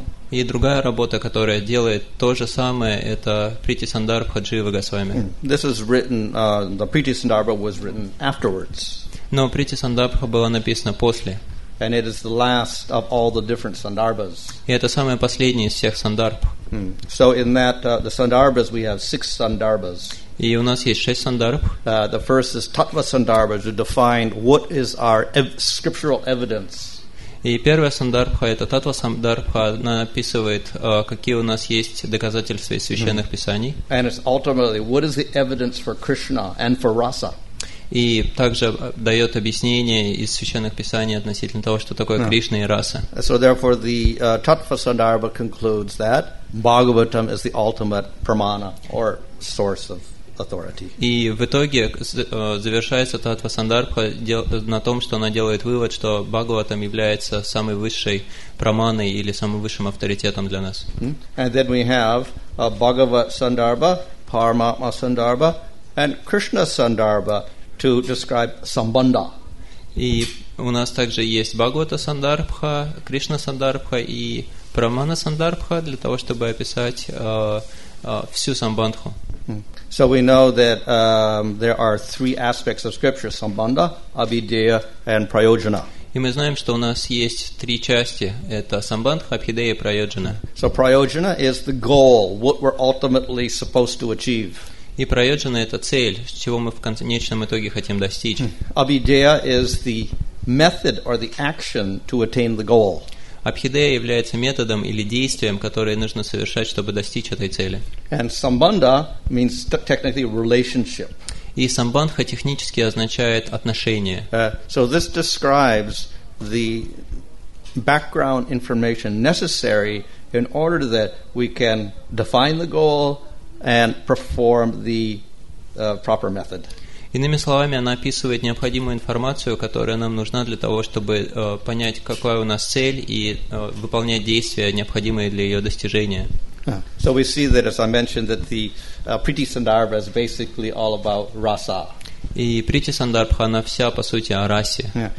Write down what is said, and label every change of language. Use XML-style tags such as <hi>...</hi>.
<ru>И другая работа, которая делает то же самое, это Прити Сандарбха Джива Госвами.</ru> <en>The Прити Сандарбха was written afterwards.</en> <ru>Но Прити Сандарбха была написана после.</ru> <en>And it is the last of all the different sandarbhas.</en> <ru>И это самое последнее из всех сандарб.</ru> <en>So in that the sandarbhas we have six sandarbhas.</en> <ru>И у нас есть шесть сандарб.</ru> <en>The first is tattva sandarbha to define what is our scriptural evidence.</en> <ru>И первая сандарбха это tattva sandarbha, она описывает какие у нас есть доказательства из священных писаний.</ru> <en>And it's ultimately what is the evidence for Krishna and for rasa.</en> <ru>И также дает объяснение из священных писаний относительно того, что такое Кришна и раса.</ru> <en>So therefore the tattva sandarbha concludes that Bhagavatam is the ultimate pramana or source of authority.</en> <ru>И в итоге завершается tattva sandarbha на том, что она делает вывод, что Бхагаватам является самой высшей праманой или самым высшим авторитетом для нас.</ru> <en>And then we have Bhagavat sandarbha, Paramatma sandarbha and Krishna sandarbha to describe sambandha.</en> <ru>И у нас также есть Бхагавата сандарбха, Кришна сандарбха и Прамана сандарбха для того, чтобы описать всю самбандху.</ru> <en>So we know that there are three aspects of scripture: sambandha, abhideya and prayojana.</en> <ru>И мы знаем, что у нас есть три части: это самбандха, абхидея и прайоджана.</ru> <en>So prayojana is the goal, what we're ultimately supposed to achieve.</en> <ru>И прайоджана – это цель, чего мы в конечном итоге хотим достичь.</ru> <en>Abhideya is the method or the action to attain the goal.</en> <ru>Абхидея является методом или действием, которое нужно совершать, чтобы достичь этой цели.</ru> <en>And sambandha means technically relationship.</en> <ru>И самбандха технически означает отношение.</ru> <en>So this describes the background information necessary in order that we can define the goal and perform the proper method.</en> <ru>Иными словами, она описывает необходимую информацию, которая нам нужна для того, чтобы понять, какая у нас цель и выполнять действия, необходимые для ее достижения.</ru> <en>So we see that, as I mentioned, that the Priti Sandarbha is basically all about rasa.</en> <ru>И Priti Sandarbha, она вся, по сути, о расе.</ru>